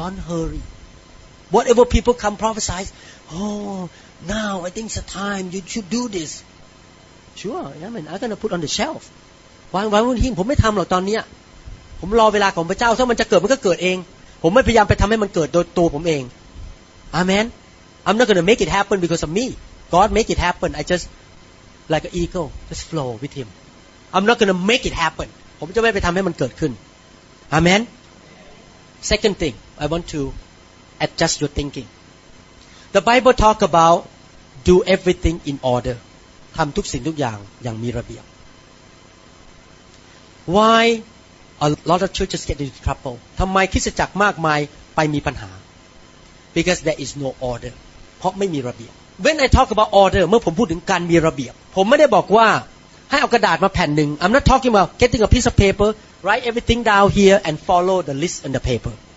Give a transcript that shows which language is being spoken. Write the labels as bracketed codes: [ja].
[en] hurry whatever people come prophesy oh now I think it's the time you should do this sure yeah man I'm gonna put on the shelf why would he [th] ผมไม่ทำหรอกตอนนี้ผมรอเวลาของพระเจ้าถ้ามันจะเกิดมันก็เกิดเองผมไม่พยายามไปทำให้มันเกิดโดยตัวผมเอง [en] amen I'm not gonna make it happen because of me God make it happen I justLike an eagle, just flow with him. I'm not going to make it happen. [th] ผมจะไม่ไปทำให้มันเกิดขึ้น [en] Amen. Second thing, I want to adjust your thinking. The Bible talk about do everything in order. [th] ทำทุกสิ่งทุกอย่างอย่างมีระเบียบ [en] Why a lot of churches get into trouble? [th] ทำไมคริสตจักรมากมายไปมีปัญหา [en] Because there is no order. [th] เพราะไม่มีระเบียบ [en] When I talk about order, [th] เมื่อผมพูดถึงการมีระเบียบผมไม่ได้บอกว่าให้เอากระดาษมาแผ่นหนึ่ง [en] I'm not talking about getting a piece of paper, write everything down here and follow the list on the paper.